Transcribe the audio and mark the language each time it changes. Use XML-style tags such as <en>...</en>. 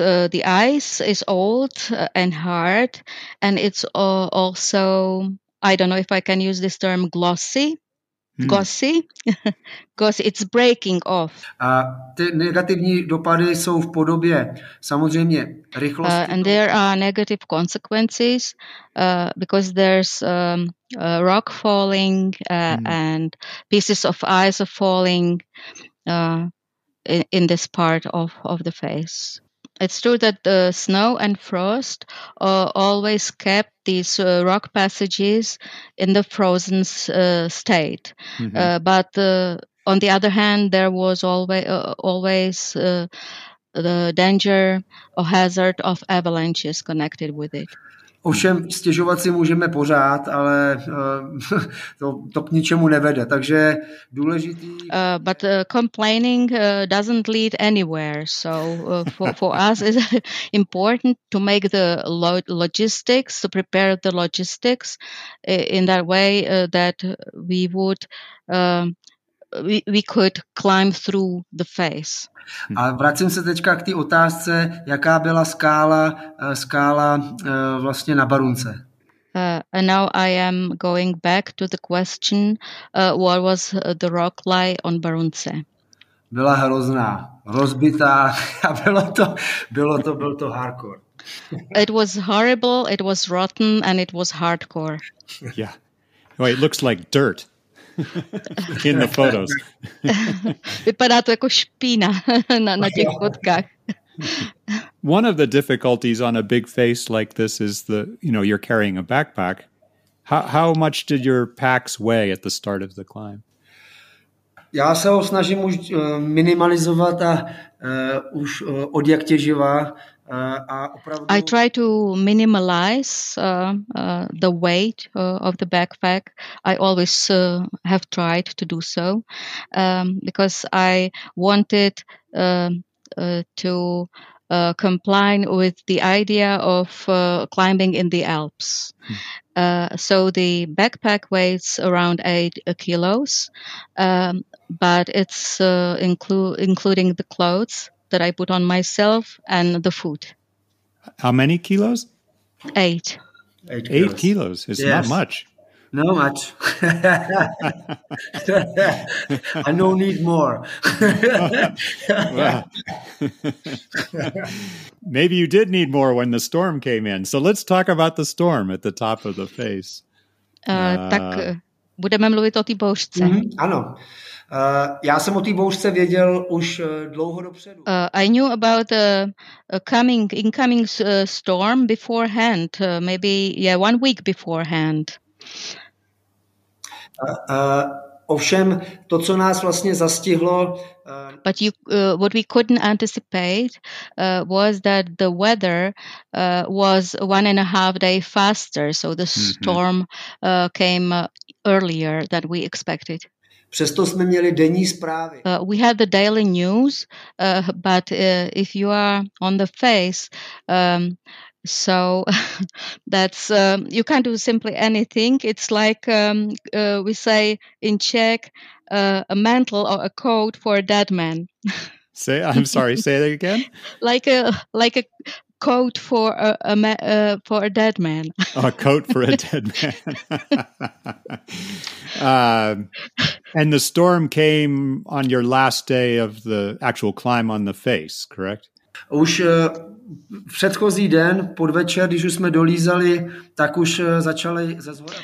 <en>The ice is old and hard, and it's also, I don't know if I can use this term, glossy. Glossy? Glossy, it's breaking off.</en> <cs>A ty negativní dopady jsou v podobě samozřejmě rychlosti.</cs> <en>And there are negative consequences because there's rock falling and pieces of ice are falling. In this part of the face. It's true that the snow and frost always kept these rock passages in the frozen state. Mm-hmm. But on the other hand, there was always the danger or hazard of avalanches connected with it.</en> <cs>Ovšem, stěžovat si můžeme pořád, ale to k ničemu nevede. Takže důležitý.</cs> <en>But complaining doesn't lead anywhere. So for us, it's important to make the logistics, to prepare the logistics in that way that we would we could climb through the face.</en> <cs>A vracím se teďka k té otázce, jaká byla skála vlastně na Barunce.</cs> <en>And now I am going back to the question, what was the rock lie on Barunce?</en> <cs>Byla hrozná, rozbitá a byl to hardcore.</cs> <en>It was horrible, it was rotten and it was hardcore. Yeah, well, it looks like dirt. In the photos.</en> <cs>Vypadá to jako špína na těch fotkách.</cs> <en>One of the difficulties on a big face like this is you're carrying a backpack. How much did your packs weigh at the start of the climb?</en> <cs>Já se ho snažím už minimalizovat a už od jak těživa.</cs> <en>I try to minimize the weight of the backpack. I always have tried to do so because I wanted to comply with the idea of climbing in the Alps. Hmm. So the backpack weighs around 8 kilos, but it's including the clothes that I put on myself and the food. How many kilos? 8. 8 kilos. It's not much. No much. I no need more. Maybe you did need more when the storm came in. So let's talk about the storm at the top of the face.</en> <cs>Tak budeme mluvit o té bouřce. Mm-hmm, ano. Já jsem o té bouřce věděl už dlouho dopředu.</cs> <en>I knew about the incoming storm beforehand, maybe 1 week beforehand.</en> <cs>Ovšem, to, co nás vlastně zastihlo.</cs> <en>But you, what we couldn't anticipate was that the weather was 1.5 day faster, so the storm came earlier than we expected.</en> <cs>Přesto jsme měli denní zprávy.</cs> <en>We had the daily news, but if you are on the face, so that's you can't do simply anything. It's like we say in Czech, a mantle or a coat for a dead man. Say that again. like a coat for a dead man. A coat for a dead man. And the storm came on your last day of the actual climb on the face, correct?</en> <cs>Už předchozí den, podvečer, když už jsme dolízali, tak už začaly ze zhora.</cs>